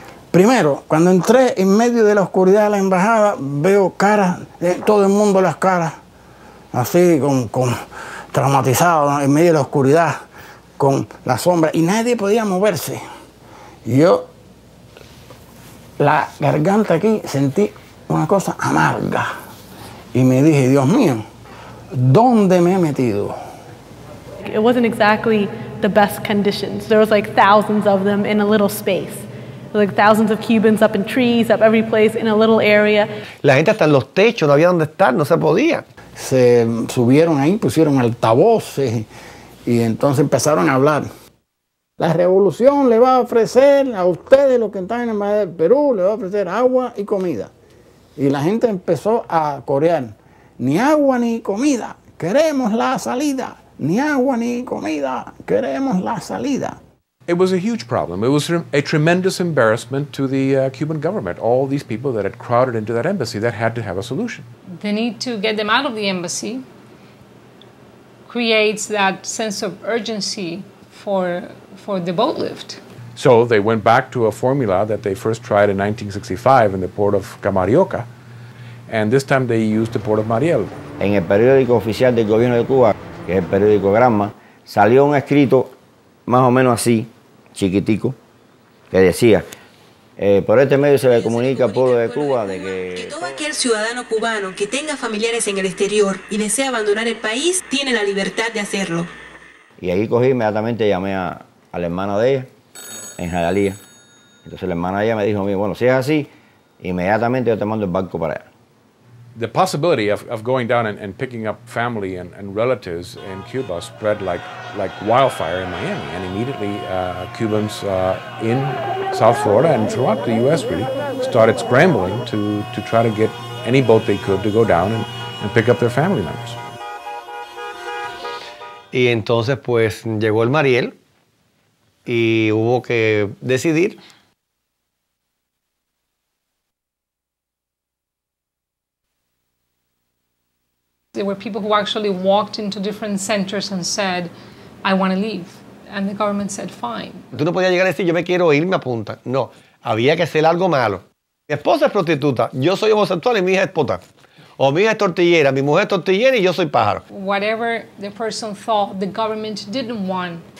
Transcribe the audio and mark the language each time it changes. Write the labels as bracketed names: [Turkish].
[Spanish] Primero, cuando entré en medio de la oscuridad de la embajada, veo caras, todo el mundo las caras, así, con traumatizado, ¿no? En medio de la oscuridad, con la sombra, y nadie podía moverse. Yo, la garganta aquí, sentí una cosa amarga. Y me dije, Dios mío, ¿dónde me he metido? [English] It wasn't exactly the best conditions. There was like thousands of them in a little space. Like thousands of Cubans up in trees, up every place in a little area. [Spanish] La gente hasta en los techos, no había dónde estar, no se podía. Se subieron ahí, pusieron altavoces y entonces empezaron a hablar. La revolución le va a ofrecer a ustedes, los que están en el Mar del Perú, le va a ofrecer agua y comida. Y la gente empezó a corear, ni agua ni comida, queremos la salida. Ni agua ni comida, queremos la salida. [English] It was a huge problem. It was a tremendous embarrassment to the Cuban government. All these people that had crowded into that embassy, that had to have a solution. The need to get them out of the embassy creates that sense of urgency for the boat lift. So they went back to a formula that they first tried in 1965 in the port of Camarioca, and this time they used the port of Mariel. [Spanish] En el periódico oficial del gobierno de Cuba, que es el periódico Granma, salió un escrito más o menos así, chiquitico, que decía, por este medio se le comunica al pueblo de Cuba de que... Todo aquel ciudadano cubano que tenga familiares en el exterior y desea abandonar el país, tiene la libertad de hacerlo. Y ahí cogí inmediatamente, llamé a la hermana de ella, en Jalalía. Entonces la hermana de ella me dijo, mira, bueno, si es así, inmediatamente yo te mando el barco para allá. [English] The possibility of going down and picking up family and relatives in Cuba spread like wildfire in Miami, and immediately Cubans in South Florida and throughout the U.S. really started scrambling to try to get any boat they could to go down and pick up their family members. [Spanish] Y entonces pues llegó el Mariel y hubo que decidir. [English] There were people who actually walked into different centers and said, I want to leave. And the government said, fine. [Spanish] Tú no podías llegar a decir, yo me quiero ir, me apunta. No, había que hacer algo malo. Mi esposa es prostituta, yo soy homosexual y mi hija es puta. O mi hija es tortillera, mi mujer es tortillera y yo soy pájaro. [English] Whatever the person thought, the government didn't want.